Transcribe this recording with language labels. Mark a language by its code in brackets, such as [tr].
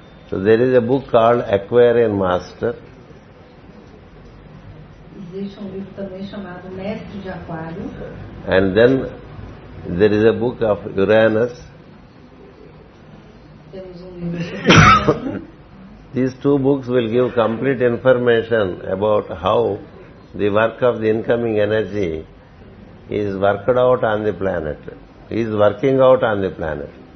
[en] So there is a book called Aquarian Master. [pt] Existe um livro também chamado Mestre de Aquário. [en] And then there is a book of Uranus. [pt] Temos um livro. [en] These two books will give complete information about how the work of the incoming energy is worked out on the planet, is working out on the planet.